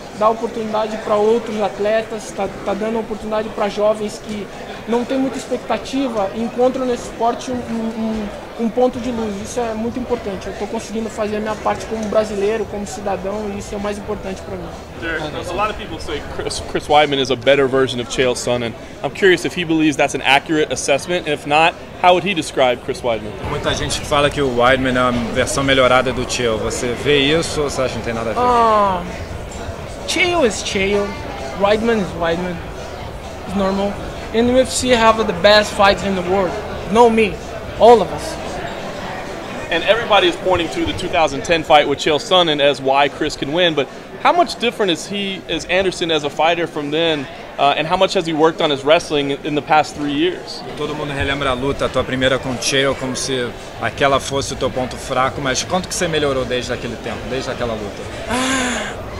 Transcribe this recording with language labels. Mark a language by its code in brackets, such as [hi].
[pt] dá oportunidade para outros atletas, tá dando oportunidade para jovens que não tem muita expectativa e encontram nesse esporte um ponto de luz. Isso é muito importante. Eu estou conseguindo fazer a minha parte como brasileiro, como cidadão, e isso é o mais importante para mim. [en] There's a lot of people say Chris Weidman is a better version of Chael Sonnen. I'm curious if he believes that's an accurate assessment, and if not, how would he describe Chris Weidman? [pt] Muita gente fala que o Weidman é a versão melhorada do Chael. Você vê isso ou você acha que não tem nada a ver? [en] Chael is Chael. Weidman is Weidman. It's normal. In the UFC, have the best fights in the world. No, me. All of us. And everybody is pointing to the 2010 fight with Chael Sonnen as why Chris can win, but how much different is he, as Anderson, as a fighter from then, and how much has he worked on his wrestling in the past 3 years? [pt] Todo mundo relembra a luta, a tua primeira com Chael, como se aquela fosse o teu ponto fraco, mas quanto que você melhorou desde aquele tempo, desde aquela luta?